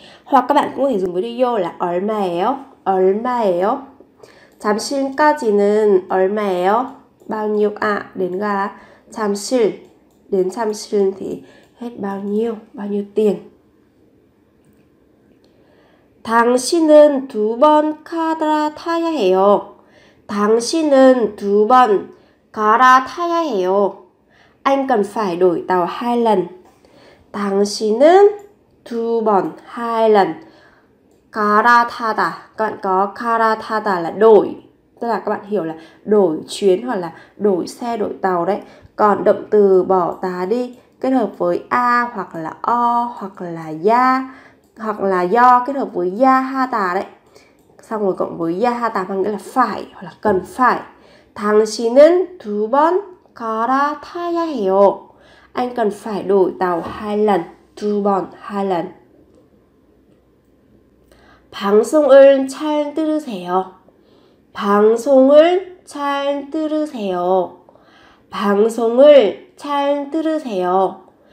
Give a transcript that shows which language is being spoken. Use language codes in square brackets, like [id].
[vi] hoặc các bạn cũng có thể dùng với yêu là 얼마예요? [ko] 얼마예요? 잠실까지는 얼마예요? [vi] �ao nhiêu ạ? À, đến ga 잠실. Đến 잠실 thì hết bao nhiêu tiền? [ko] 당신은 두 번 갈아 타야 해요. 당신은 두 번 갈아 타야 해요. [vi] Anh cần phải đổi tàu hai lần. [ko] 당신은 두 번 [vi] hai lần [ko] 갈아 타다. [vi] Các bạn có 갈아 타다 là đổi, tức là các bạn hiểu là đổi chuyến hoặc là đổi xe đổi tàu đấy. Còn động từ bỏ tá đi kết hợp với a hoặc là o hoặc là ya hoặc là do kết hợp với ya ha tà đấy. Xong rồi cộng với ya ha tà có nghĩa là phải hoặc là cần phải. [ko] 당신은 두 번 갈아 타야 해요. [vi] Anh cần phải đổi tàu hai lần. [ko] 두 번 [vi] hai lần. [ko] 방송을 잘 들으세요. 방송을 잘 들으세요. 방송을 잘 들으세요.